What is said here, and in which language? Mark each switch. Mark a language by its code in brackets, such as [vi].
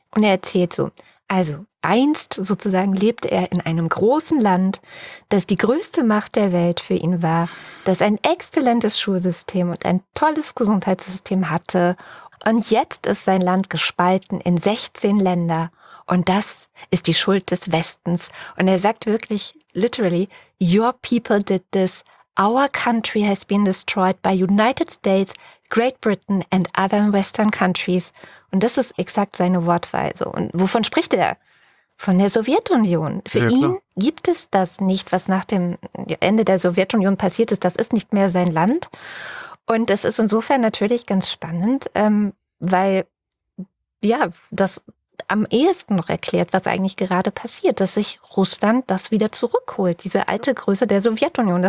[de] Und er erzählt so, also einst sozusagen lebte er in einem großen Land, das die größte Macht der Welt für ihn war, das ein exzellentes Schulsystem und ein tolles Gesundheitssystem hatte. Und jetzt ist sein Land gespalten in 16 Länder. Und das ist die Schuld des Westens. Und er sagt wirklich, [en] literally, your people did this. Our country has been destroyed by United States, Great Britain and other Western countries. [de] Und das ist exakt seine Wortweise. Und wovon spricht er? Von der Sowjetunion. Für ihn gibt es das nicht, was nach dem Ende der Sowjetunion passiert ist. Das ist nicht mehr sein Land. Und es ist insofern natürlich ganz spannend, weil ja das am ehesten noch erklärt, was eigentlich gerade passiert, dass sich Russland das wieder zurückholt, diese alte Größe der Sowjetunion.